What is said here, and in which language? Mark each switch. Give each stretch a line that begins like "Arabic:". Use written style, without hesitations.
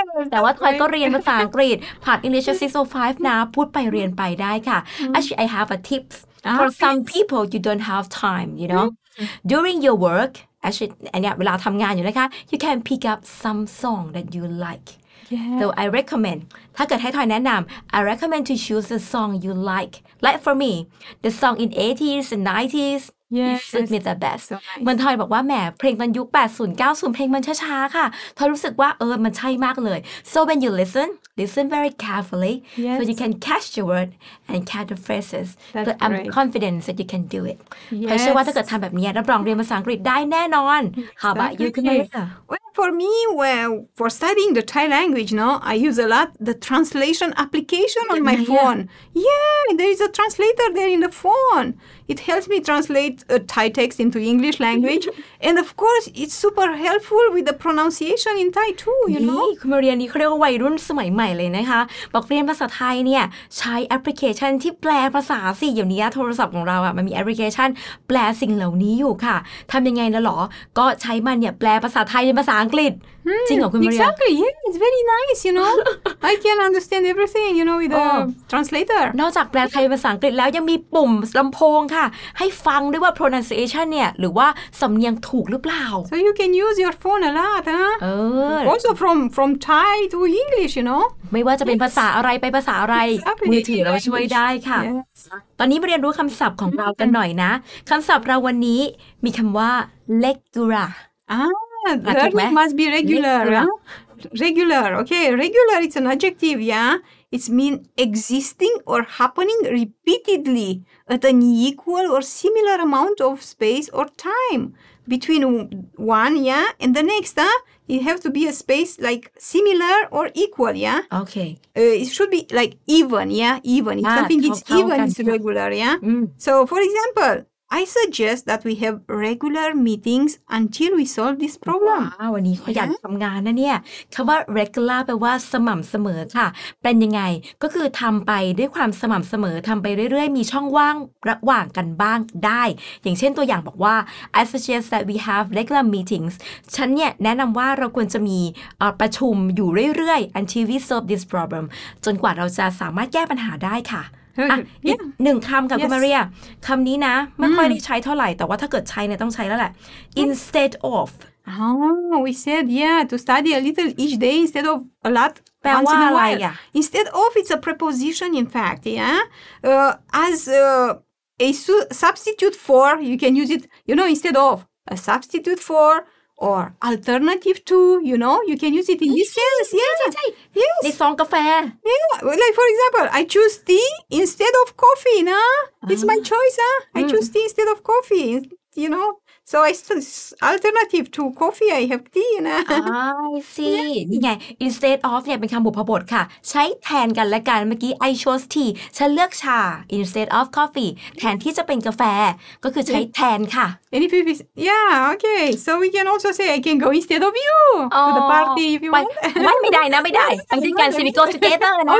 Thai: แต่ว่า Toy ก็เรียนภาษาอังกฤษผ่าน
English: English at 605
Thai: นะพูดไปเรียนไปได้ค่ะ
English: Actually I have a tips for some people you don't have time you know during your workActually,
Thai: เวลาทำงานอยู่นะคะ
English: you can pick up some song that you like. Yeah. So I recommend,
Thai: ถ้าเกิดให้ทอยแนะนำ
English: I recommend to choose the song you like. Like for me, the song in 80s and 90s, yes, it suits me the best.
Thai: เหมือนทอยบอกว่าแหมเพลงตอนยุค 80, 90 เพลงมันช้าๆค่ะทอยรู้สึกว่าเออมันใช่มากเลย
English: So when you listen, listen very carefully, yes. so you can catch the word and catch the phrases. That's but I'm great. confident that you can do it. Yes.
Thai: เพราะว่าถ้าเกิดทำแบบนี้รับรองเรียนภาษาอังกฤษได้แน่นอน
English: How about you, Kamala? Well, for me, well, for studying the Thai language, no, I use a lot the translation application on my phone. Yeah, there is a translator there in the phone. It helps me translate a Thai text into English language. and of course, it's super helpful with the pronunciation in Thai too, you know?
Thai: คุณมาเรียนนี่เขาเรียกว่าวัยรุ่นสมัยใหม่เลยนะคะบอกเรียนภาษาไทยเนี่ยใช้แอปพลิเคชันที่แปลภาษาสิเดี๋ยวนี้โทรศัพท์ของเราอะมันมีแอปพลิเคชันแปลสิ่งเหล่านี้อยู่ค่ะทำยังไงนะหรอก็ใช้มันเนี่ยแปลภาษาไทยเป็นภาษาอังกฤษจริงเหรอคุณมาเรีย น
English: Exactly yeah it's very nice you know I can understand everything you know with the translator
Thai: นอกจากแปลไทยเป็นภาษาอังกฤษแล้วยังมีปุ่มลำโพงค่ะให้ฟังด้วยว่า pronunciation เนี่ยหรือว่าสำเนียงถูกหรือเปล่า
English: so you can use your phone a lot huh also from Thai to English you know
Thai: ไม่ว่าจะเป็นภาษาอะไรไปภาษาอะไรมือ ถือเราช่วยได้ค่ะ
English: yes.
Thai: ตอนนี้มาเรียนรู้คำศัพท์ของเรากันหน่อยนะคำศัพท์เราวันนี้มีคำว่า legura
English: learning must be regular regular okay regular it's an adjective yeah it's mean existing or happening repeatedly at an equal or similar amount of space or time between one yeah and the next huh it have to be a space like similar or equal yeah okay it should be like even yeah even if something is even it's regular yeah so for example I suggest that we have regular meetings until we solve this problem.
Thai: Wow, วันนี้ขยันทำงานนะเนี่ยคำว่า regular แปลว่าสม่ำเสมอค่ะเป็นยังไงก็คือทำไปด้วยความสม่ำเสมอทำไปเรื่อยๆมีช่องว่างระหว่างกันบ้างได้อย่างเช่นตัวอย่างบอกว่า
English: I suggest that we have regular meetings.
Thai: ฉันเนี่ยแนะนำว่าเราควรจะมีประชุมอยู่เรื่อยๆ
English: until we solve this problem.
Thai: จนกว่าเราจะสามารถแก้ปัญหาได้ค่ะหนึ่งคำกับคุณมาเรียคำนี้นะไม่ค่อยได้ใช้เท่าไหร่แต่ว่าถ้าเกิดใช้เนี่ยต้องใช้แล้วแหละ instead of
English: oh we said yeah to study a little each day instead of a lot
Thai: แปลว่าอะไรอ่ะ
English: instead of it's a preposition in fact yeah as a substitute for you can use it you know instead of a substitute foror alternative to you know you can use it in this sense yeah yes this song cafe yeah like for example I choose tea instead of coffee na it's my choice ah I choose tea instead of coffee you know so I alternative to coffee I have tea na I see
Thai: นี่ไง instead of เนี่ยเป็นคำบุพบทค่ะใช้แทนกันและกันเมื่อกี้
English: I chose tea
Thai: ฉันเลือกชา instead of coffee แทนที่จะเป็นกาแฟก็คือใช้แทนค่ะ
English: And if you, yeah, okay. So we can also say I can go instead of you to the party if you want.
Thai: ไม่ได้นะไม่ได้
English: we go together.